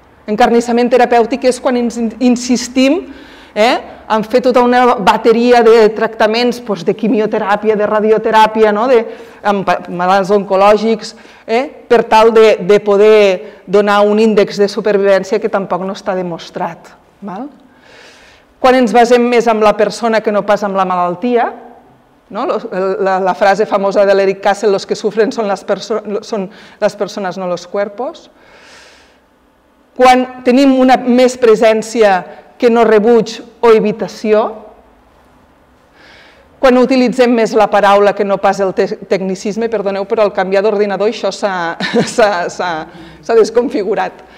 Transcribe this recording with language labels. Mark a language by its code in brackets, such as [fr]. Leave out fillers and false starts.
[ca] Encarnissament terapèutic és quan insistim en fer tota una bateria de tractaments, doncs, de quimioteràpia, de radioteràpia, no? amb malalts oncològics, per tal de poder donar un índex de supervivència que tampoc no està demostrat. Val? Quan ens basem més en la persona que no pas en la malaltia, no? La frase famosa de l'Eric Kassel, [es] los que sufren son las personas, no los cuerpos. [ca] Quan tenim una més presència que no rebuig o evitació, quan utilitzem més la paraula que no pas el tecnicisme, perdoneu, però el canviar d'ordinador això s'ha desconfigurat.